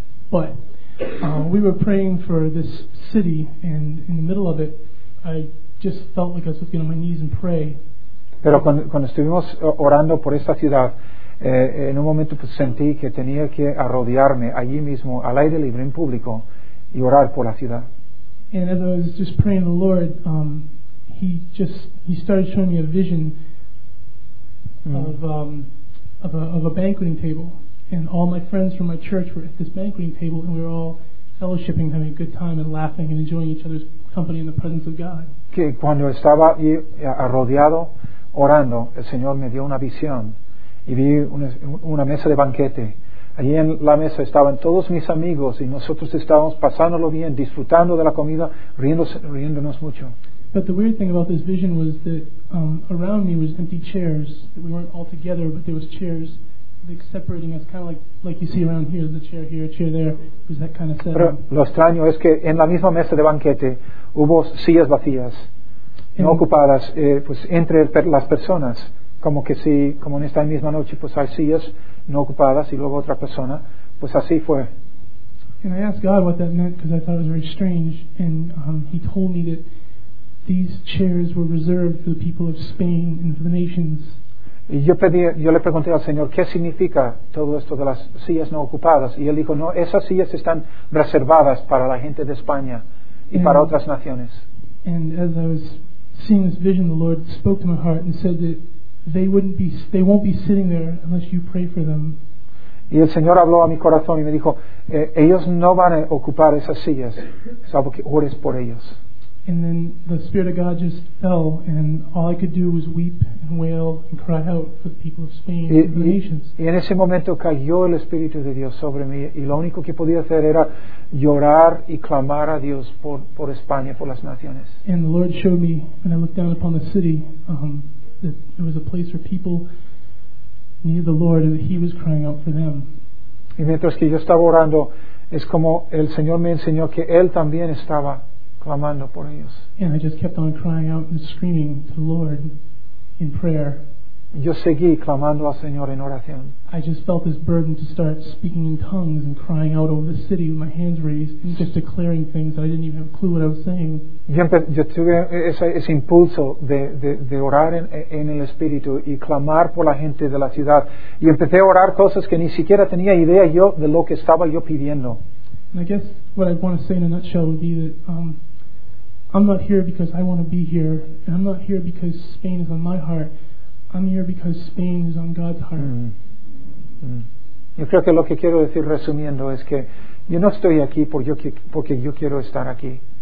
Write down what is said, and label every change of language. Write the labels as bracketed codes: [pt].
[en] But we were praying for this city, and in the middle of it, I just felt like I was going to get on my knees and pray. [es] Pero cuando estuvimos orando por esta ciudad, en un momento pues sentí que tenía que arrodillarme allí mismo, al aire libre, en público, y orar por la ciudad. [en] And as I was just praying to the Lord, he started showing me a vision of a banqueting table, and all my friends from my church were at this banqueting table, and we were all fellowshipping, having a good time and laughing and enjoying each other's company in the presence of God. [es] Que cuando estaba allí arrodillado orando, el Señor me dio una visión y vi una mesa de banquete. Allí en la mesa estaban todos mis amigos y nosotros estábamos pasándolo bien, disfrutando de la comida, riéndonos mucho. [en] But the weird thing about this vision was that around me was empty chairs. That we weren't all together, but there was chairs like separating us, kind of like you see around here, the chair here, chair there. It was that kind of setup. [es] Pero lo extraño es que en la misma mesa de banquete hubo sillas vacías, no ocupadas, pues entre las personas, como que si, como en esta misma noche, pues hay sillas no ocupadas y luego otra persona, pues así fue. [en] And I asked God what that meant, because I thought it was very strange, and he told me that these chairs were reserved for the people of Spain and for the nations. [es] Y yo le pregunté al Señor, ¿qué significa todo esto de las sillas no ocupadas? Y él dijo, no, esas sillas están reservadas para la gente de España y para otras naciones. [en] And as I was seeing this vision, the Lord spoke to my heart and said that they won't be sitting there unless you pray for them. [es] Y el Señor habló a mi corazón y me dijo, ellos no van a ocupar esas sillas, salvo que ores por ellos. [en] And then the Spirit of God just fell, and all I could do was weep and wail and cry out for the people of Spain and the nations. [es] Y en ese momento cayó el Espíritu de Dios sobre mí, y lo único que podía hacer era llorar y clamar a Dios por España, por las naciones. [en] And the Lord showed me, when I looked down upon the city, that it was a place where people needed the Lord, and that He was crying out for them. [es] Y mientras que yo estaba orando, es como el Señor me enseñó que Él también estaba clamando por ellos. [en] And I just kept on crying out and screaming to the Lord in prayer. [es] Yo seguí clamando al Señor en oración. [en] I just felt this burden to start speaking in tongues and crying out over the city with my hands raised and just declaring things that I didn't even have a clue what I was saying. [es] Yo tuve ese impulso de orar en el Espíritu y clamar por la gente de la ciudad. Y empecé a orar cosas que ni siquiera tenía idea yo de lo que estaba yo pidiendo. [en] And I guess what I'd want to say in a nutshell would be that I'm not here because I want to be here, and I'm not here because Spain is on my heart. I'm here because Spain is on God's heart. Mm. [es] Yo creo que lo que quiero decir resumiendo es que yo no estoy aquí porque yo quiero estar aquí.